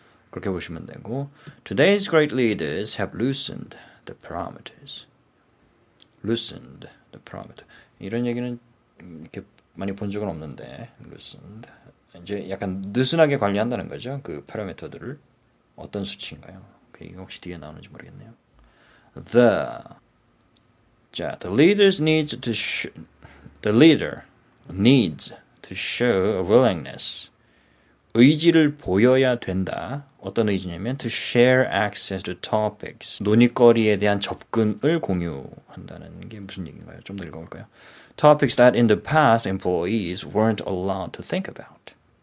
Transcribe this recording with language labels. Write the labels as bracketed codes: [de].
[ko] 그렇게 보시면 되고, [en] Today's great leaders have loosened the parameters. Loosened the parameters. [ko] 이런 얘기는 이렇게 많이 본 적은 없는데, loosened. 이제 약간 느슨하게 관리한다는 거죠. 그 파라미터들을. 어떤 수치인가요? 그 얘기가 혹시 뒤에 나오는지 모르겠네요. [en] The leaders needs to sh the leader needs to show a willingness. [ko] 의지를 보여야 된다. 어떤 의지냐면 [en] to share access to topics. [ko] 논의거리에 대한 접근을 공유한다는 게 무슨 얘기인가요? 좀더 읽어볼까요? [en] Topics that in the past employees weren't allowed to think about.